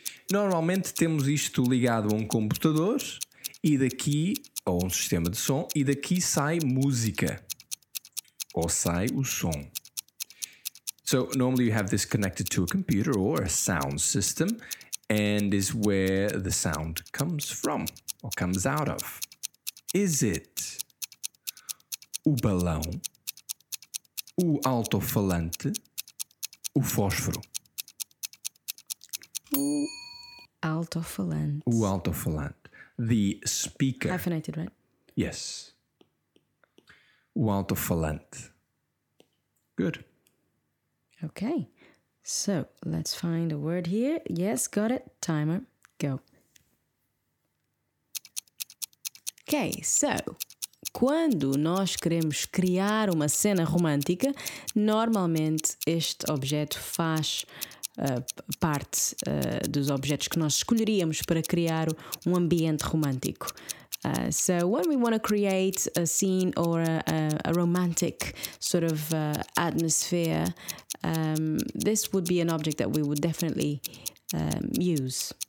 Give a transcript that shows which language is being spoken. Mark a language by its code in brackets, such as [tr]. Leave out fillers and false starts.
[pt] Normalmente temos isto ligado a computador e daqui, ou sistema de som, e daqui sai música. Ou sai o som. [en] So normally you have this connected to a computer or a sound system, and is where the sound comes from or comes out of. Is it [pt] o balão, o alto-falante, o fósforo? O alto-falante. [en] The speaker. Hyphenated, right? Yes. O alto-falante. Good. Okay. So, let's find a word here. Yes, got it. Timer, go. [pt] Okay, so, quando nós queremos criar uma cena romântica, normalmente este objeto faz parte dos objetos que nós escolheríamos para criar um ambiente romântico. [en] So, when we want to create a scene or a romantic sort of atmosphere, this would be an object that we would definitely use.